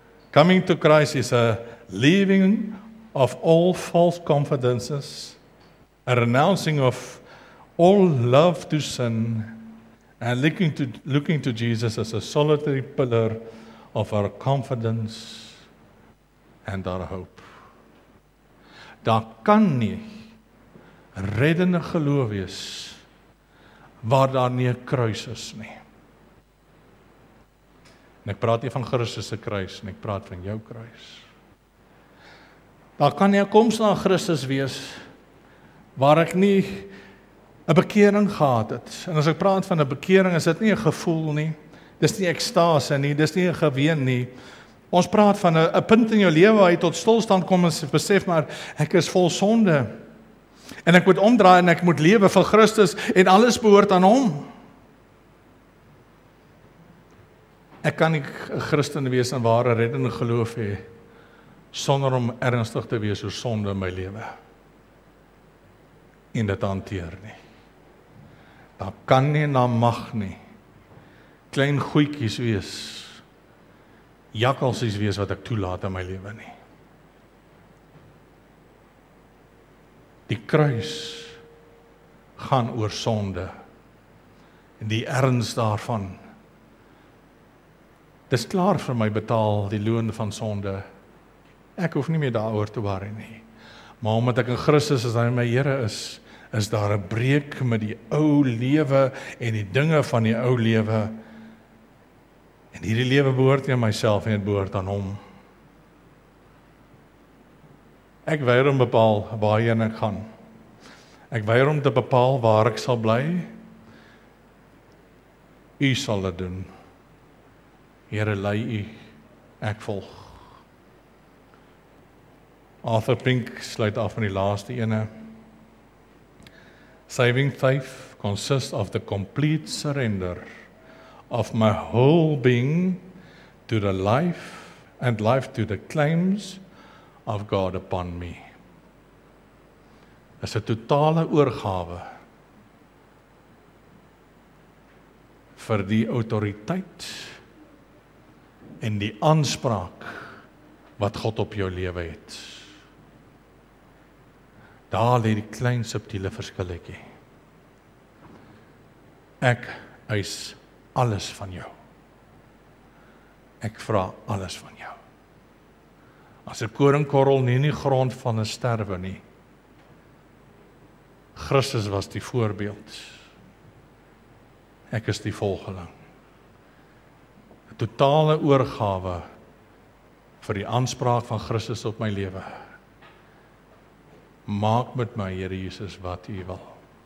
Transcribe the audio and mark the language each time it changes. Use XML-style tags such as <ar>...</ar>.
<en>Coming to Christ is a leaving of all false confidences, a renouncing of all love to sin, and looking to Jesus as a solitary pillar of our confidence and our hope.</en> <af>Daar kan nie reddende geloof wees waar daar nie 'n kruis is nie. En ek praat nie van Christus se kruis, en ek praat van jou kruis. Daar kan nie 'n koms na Christus wees waar ek nie 'n bekering gehad het. En as ek praat van 'n bekering, is dit nie 'n gevoel nie. Dis nie ekstase nie, dis nie 'n geween nie. Ons praat van 'n punt in jou lewe waar jy tot stilstand kom en besef, maar ek is vol sonde. En ek moet omdraai en ek moet lewe vir Christus en alles behoort aan Hom. Ek kan nie 'n Christen wees en ware reddende geloof hê sonder om ernstig te wees oor sonde in my lewe en dit hanteer nie. Daar kan nie en daar mag nie klein goeitjies wees, jakkalsies wees wat ek toelaat in my lewe nie. Die kruis gaan oor sonde en die erns daarvan. Dis klaar vir my betaal die loon van sonde. Ek hoef nie meer daaroor te worry nie. Maar omdat ek in Christus is, hy my Here is, is daar 'n breek met die ou lewe en die dinge van die ou lewe. En hierdie lewe behoort nie aan myself nie, dit behoort aan hom. Ek weier om bepaal waarheen ek gaan. Ek weier om te bepaal waar ek sal bly. U sal dit doen. Here, lei u. Ek volg. Arthur Pink sluit af van die laaste ene.</af> <en>Saving faith consists of the complete surrender of my whole being to the life and life to the claims of God upon me.</en> <af>Is 'n totale oorgawe vir die autoriteit en die aanspraak wat God op jou lewe het. Daar lê die klein subtiele verskilletjie. Ek eis alles van jou. Ek vra alles van jou. As 'n koringkorrel nie in die grond van 'n sterwe nie. Christus was die voorbeeld. Ek is die volgeling. 'N totale oorgawe vir die aanspraak van Christus op my lewe. Maak met my, Here Jesus, wat U wil.</af>